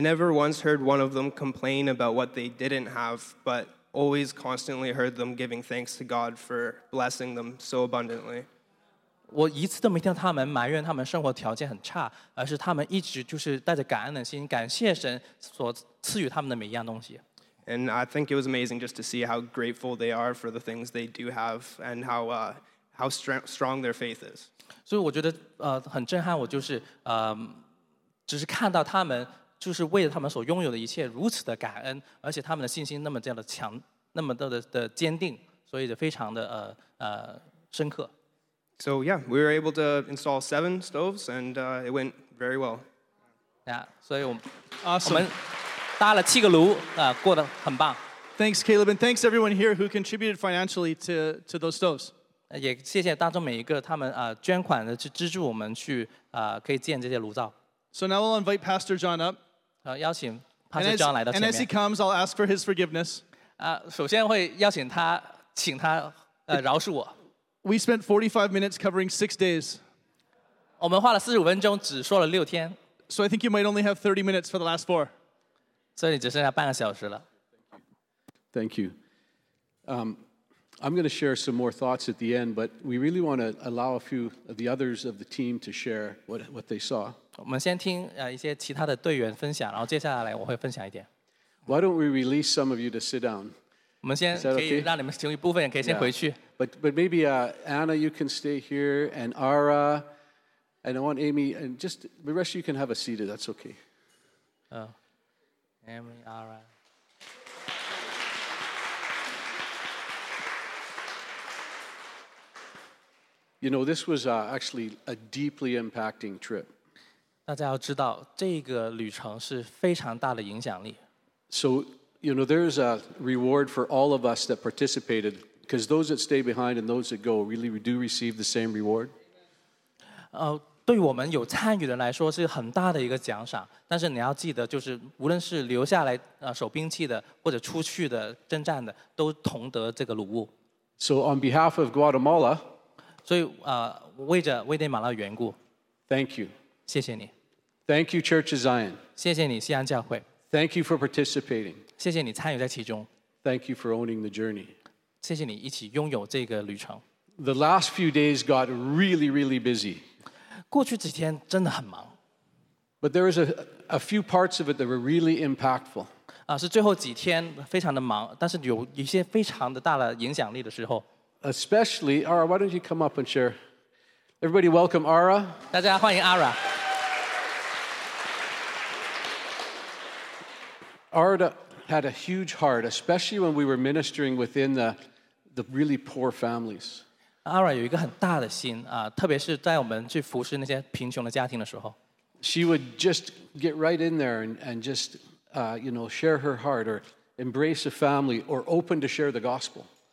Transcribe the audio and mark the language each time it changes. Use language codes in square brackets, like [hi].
[en] never once heard one of them complain about what they didn't have, but always constantly heard them giving thanks to God for blessing them so abundantly. [zh] 我一次都没听到他们埋怨他们生活条件很差，而是他们一直就是带着感恩的心，感谢神所赐予他们的每一样东西。 [en] And I think it was amazing just to see how grateful they are for the things they do have and how strong their faith is. [zh] 所以我觉得很震撼，我就是只是看到他们就是为了他们所拥有的一切如此的感恩，而且他们的信心那么这样的强，那么的坚定，所以就非常的深刻。 [en] So yeah, we were able to install 7 stoves, and it went very well. Yeah, so awesome. Thanks, Caleb, and thanks everyone here who contributed financially to those stoves. [zh] 也谢谢当中每一个他们捐款的去资助我们去可以建这些炉灶. [en] So now we'll invite Pastor John up. [zh] 邀请 Pastor John 来到前面. [en] And as he comes, I'll ask for his forgiveness. [zh] 首先会邀请他，请他饶恕我. [en] We spent 45 minutes covering 6 days. [zh] 我们花了45分钟，只说了6天. [en] So I think you might only have 30 minutes for the last 4. [zh] 所以你只剩下半个小时了. [en] Thank you. I'm going to share some more thoughts at the end, but we really want to allow a few of the others of the team to share what they saw. [zh] 我们先听一些其他的队员分享，然后接下来我会分享一点. [en] Why don't we release some of you to sit down? [zh] 我们先可以让你们其中一部分可以先回去。 [en] Yeah. But maybe Anna, you can stay here, and Ara, and I want Amy, and just the rest of you can have a seat, if that's okay. Oh, Amy, Ara. You know, this was actually a deeply impacting trip. [zh] 大家要知道，这个旅程是非常大的影响力。 [en] So, you know, there's a reward for all of us that participated. Because those that stay behind and those that go really do receive the same reward. [zh] 对我们有参与的来说是很大的一个奖赏，但是你要记得，就是无论是留下来守兵器的，或者出去的征战的，都同得这个礼物。 [en] So on behalf of Guatemala. [zh] 所以为着危地马拉缘故. [en] Thank you. [zh] 谢谢你. [en] Thank you, Church of Zion. [zh] 谢谢你，西安教会. [en] Thank you for participating. [zh] 谢谢你参与在其中. [en] Thank you for owning the journey. [zh] 谢谢你一起拥有这个旅程。 [en] The last few days got really, really busy. [zh] 过去几天真的很忙。 [en] But there was a few parts of it that were really impactful. [zh] 是最后几天非常的忙，但是有一些非常的大的影响力的时候。 [en] Especially, Ara, why don't you come up and share? Everybody welcome Ara. [zh] 大家欢迎Ara。 [en] Ara had a huge heart, especially when we were ministering within the really poor families. [zh] Ara 有一个很大的心，特别是在我们去服侍那些贫穷的家庭的时候。 [en] She would just get right in there and just, you know, share her heart or embrace a family or open to share the gospel.